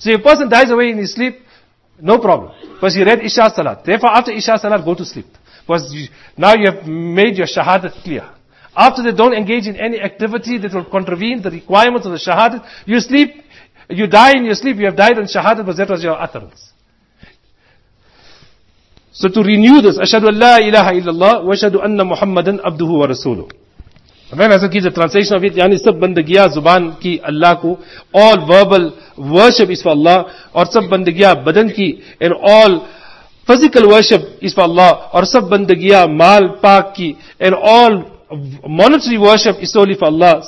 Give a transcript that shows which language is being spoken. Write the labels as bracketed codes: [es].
[en] So if a person dies away in his sleep, no problem. Because he read Isha Salat. Therefore after Isha Salat, go to sleep. Because you, now you have made your shahadat clear. After that, don't engage in any activity that will contravene the requirements of the shahadat. You sleep, you die in your sleep, you have died on shahadat because that was your utterance. So to renew this, [ar] أَشْهَدُ أَنْ لَا إِلَهَ إِلَّا اللَّهِ وَأَشْهَدُ أَنَّ مُحَمَّدًا عَبْدُهُ وَرَسُولُهُ. [en] Then Hazrat gives a translation of it, [ur] yani sab bandagiya zuban ki Allah ko, [en] all verbal worship is for Allah, [ur] or sab bandagiya badan ki, [en] and all physical worship is for Allah, [ur] or sab bandagiya maal paak ki, [en] and all monetary worship is solely for Allah.